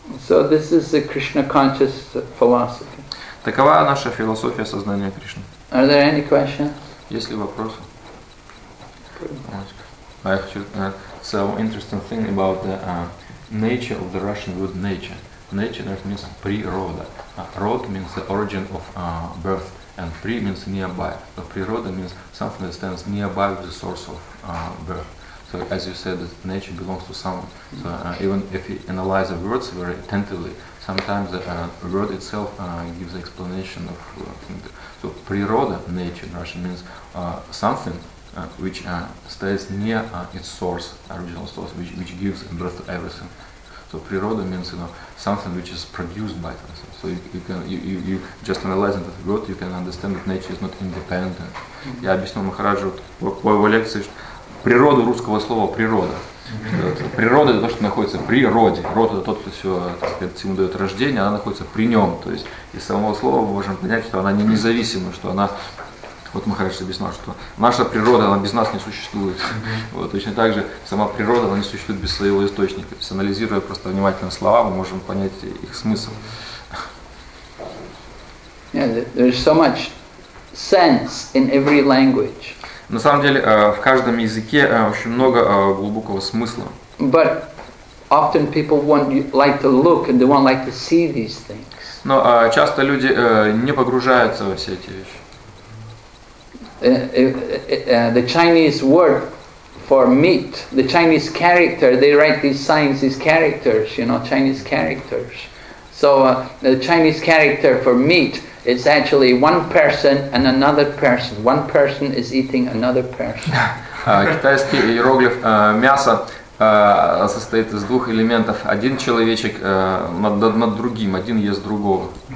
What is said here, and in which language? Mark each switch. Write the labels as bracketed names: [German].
[English] So this is the Krishna conscious philosophy. [Russian] Такова наша философия сознания Кришны. [English] Are there any questions? [Russian] Есть ли вопросы? [English] I have some interesting thing about the nature of the Russian word nature. Nature means природа. Род means the origin of birth, and pre means nearby. So природа means something that stands nearby the source of birth. So as you said, that nature belongs to someone. So even if you analyze the words very attentively, sometimes the word itself gives explanation of something. So природа, nature in Russian, means something which stays near its source, original source, which gives birth to everything. So природа means, you know, something which is produced by something. So you just analyzing that word, you can understand that nature is not independent. [Russian] Я объяснил Махараджу в его лекции, что природа русского слова природа. Природа — это то, что находится в природе. Род — это тот, кто все, так сказать, всему дает рождение, она находится при нем. То есть из самого слова мы можем понять, что она не независима, что она. Вот Махарадж объяснил, что наша природа, она без нас не существует. Вот, точно так же сама природа, она не существует без своего источника. То есть, анализируя просто внимательно слова, мы можем понять их смысл. [English] Yeah, there's so much sense in every language. [Russian] На самом деле, в каждом языке очень много глубокого смысла. [English] But often people want like to look and they want like to see these things. [Russian] Но часто люди не погружаются во все эти вещи. [English] The Chinese word for meat, the Chinese character, they write these signs, these characters, you know, Chinese characters. So the Chinese character for meat, it's actually one person and another person. One person is eating another person. [Russian] Китайский иероглиф мяса состоит из двух элементов. Один человечек над другим, один ест другого.